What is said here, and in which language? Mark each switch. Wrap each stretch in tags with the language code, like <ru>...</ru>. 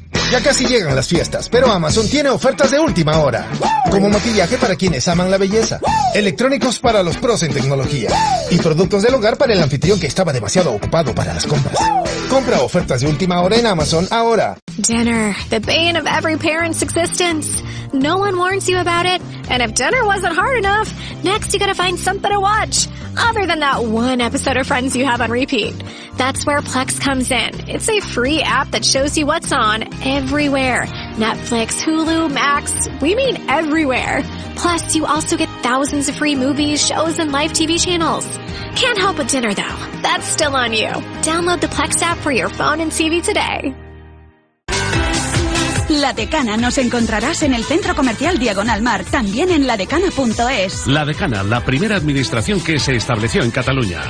<es>Ya casi llegan las fiestas, pero Amazon tiene ofertas de última hora. Como maquillaje para quienes aman la belleza, electrónicos para los pros en tecnología y productos del hogar para el anfitrión que estaba demasiado ocupado para las compras. Compra ofertas de última hora en Amazon ahora.</es> <en>Dinner, the bane of every parent's existence. No one warns you about it, and if dinner wasn't hard enough, next you gotta find something to watch. Other than that one episode of Friends you have on repeat. That's where Plex comes in. It's a free app that shows you what's on everywhere. Netflix, Hulu, Max, we mean everywhere. Plus, you also get thousands of free movies, shows, and live TV channels. Can't help but dinner, though. That's still on you. Download the Plex app for your phone and TV today.</en> <es>La Decana nos encontrarás en el Centro Comercial Diagonal Mar, también en ladecana.es. La Decana, la primera administración que se estableció en Cataluña.</es>